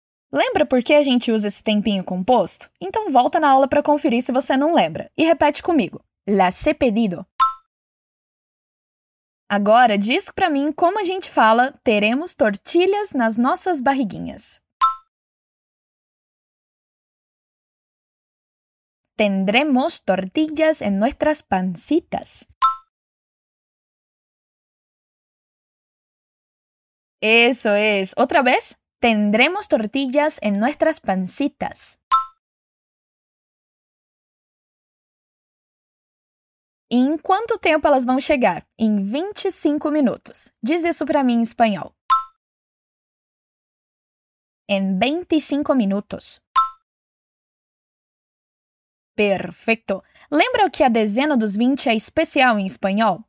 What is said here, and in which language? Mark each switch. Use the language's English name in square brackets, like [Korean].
[Portuguese] Lembra por que a gente usa esse tempinho composto? Então volta na aula para conferir se você não lembra. E repete comigo. [Spanish] Las he pedido. [Portuguese] Agora, diz para mim como a gente fala teremos tortilhas nas nossas barriguinhas. [Spanish] Tendremos tortillas en nuestras pancitas. Eso es. Otra vez. Tendremos tortillas en nuestras pancitas. [Portuguese] E em quanto tempo elas vão chegar? Em 25 minutos. Diz isso para mim em espanhol. [Spanish] En 25 minutos. [Portuguese] Perfeito. Lembra que a dezena dos 20 é especial em espanhol?